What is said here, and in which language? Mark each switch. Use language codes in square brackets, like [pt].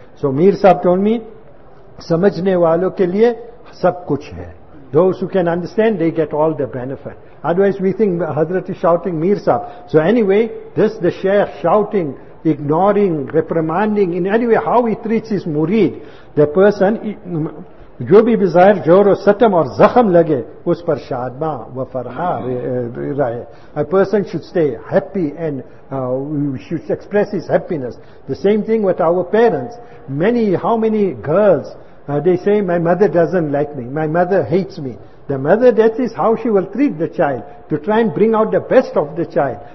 [en] So Mir Sahib told me, [ur] samajhne walon ke liye sab kuch hai. [en] Those who can understand, they get all the benefit. Otherwise, we think Hazrat is shouting Mir Sahib. So anyway, this the Shaykh shouting, ignoring, reprimanding, in any way, how he treats his murid, the person, [ur] جو بھی بظاہر جور و ستم اور زخم لگے اس پر شادما و فرحا رہے. [en] A person should stay happy and should express his happiness. The same thing with our parents. Many, how many girls, they say, my mother doesn't like me, my mother hates me. The mother, that is how she will treat the child, to try and bring out the best of the child.